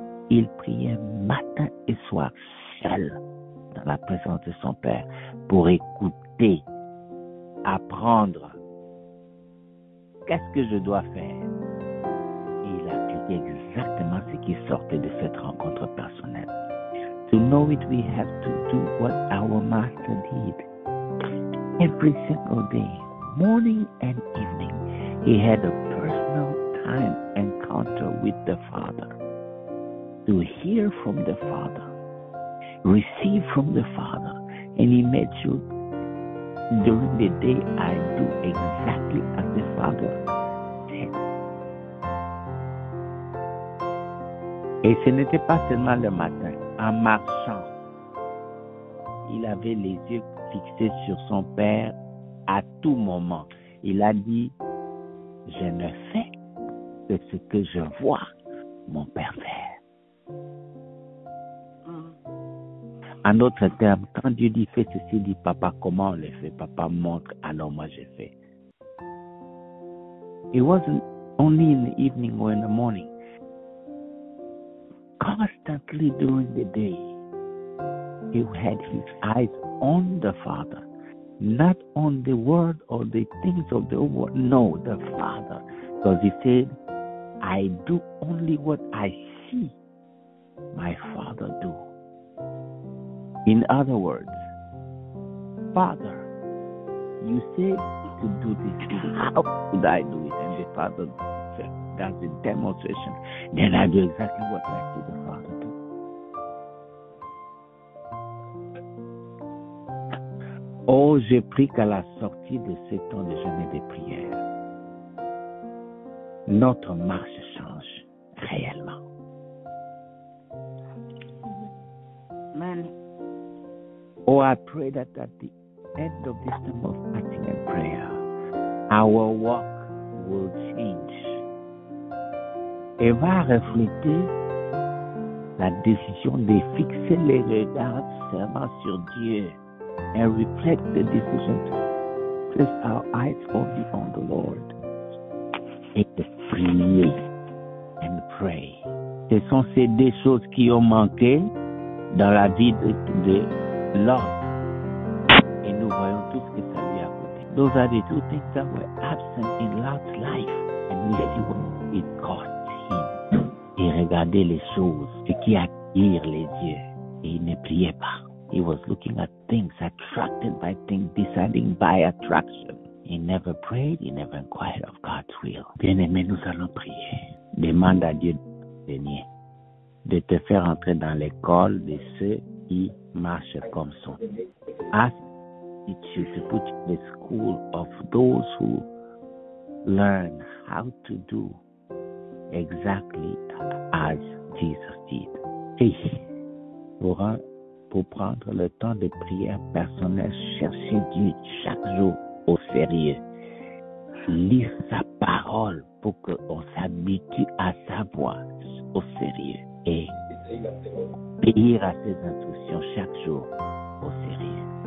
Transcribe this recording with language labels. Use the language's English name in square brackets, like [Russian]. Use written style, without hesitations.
[French] Il priait matin et soir seul dans la présence de son Père pour écouter, apprendre. Qu'est-ce que je dois faire? Et il a appliqué exactement ce qui sortait de cette rencontre personnelle. [English] To know it, we have to do what our master did. Every single day, morning and evening, he had a personal time encounter with the Father. To hear from the Father, receive from the Father, and he made sure during the day, I do exactly as the Father said. [French] Et ce n'était pas seulement le matin. En marchant, il avait les yeux fixés sur son Père à tout moment. Il a dit, je ne fais que ce que je vois mon Père faire. En d'autres termes, quand Dieu dit fais ceci, dit papa, comment on le fait? Papa montre, alors moi je fais. [English] It wasn't only in the evening or in the morning. Constantly during the day, he had his eyes on the Father. Not on the world or the things of the world. No, the Father. Because he said, I do only what I see my Father do. In other words, Father, you say to do this, how could I do it? And the Father does the demonstration. Then I do exactly what I see the Father do. [French] Oh, je prie qu'à la sortie de ce temps de jeûne et de prière, notre marche change réellement. Amen. [English] Oh, I pray that at the end of this time of fasting and prayer, our walk will change. [French] Et va refléter la décision de fixer les regards seulement sur Dieu. [English] And reflect the decision to place our eyes only on the Lord. [French] Et de prier [English] and pray. [French] Ce sont ces deux choses qui ont manqué dans la vie de Lot. Et nous voyons tout ce que ça lui a coûté. [English] Those are the two things that were absent in Lot's life. And we see what it cost him. [French] Il regardait les choses, ce qui attire les yeux. Et il ne priait pas. [English] He was looking at things, attracted by things, deciding by attraction. He never prayed, he never inquired of God's will. [French] Bien-aimé, nous allons prier. Demande à Dieu de te faire entrer dans l'école de ceux qui marchent comme son. [English] Ask you to put you in the school of those who learn how to do exactly as Jesus did. [French] Hey, pour prendre le temps de prière personnelle, chercher Dieu chaque jour au sérieux. Lire sa parole pour qu'on s'habitue à sa voix au sérieux. Et obéir à ses instructions chaque jour au sérieux.